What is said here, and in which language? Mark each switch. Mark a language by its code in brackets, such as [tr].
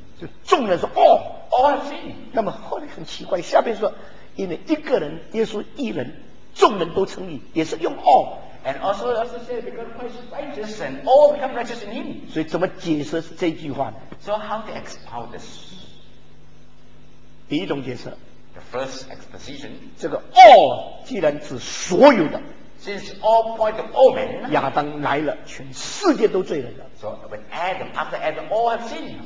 [zh] 就众人说，哦 [en] ，all have sinned. [zh] 那么后来很奇怪，下边说，因为一个人，耶稣一人，众人都称义，也是用 all。 [en] And also say because Christ is righteous and all become righteous in Him. [zh] 所以怎么解释这句话呢 [en] ？So how to expound this? [zh] 第一种解释 [en] ，the first exposition， [zh] 这个 all 既然指所有的 [en] ，since all point to all men， [zh] 亚当来了，全世界都罪人了 [en] ，so when Adam after Adam all have sinned，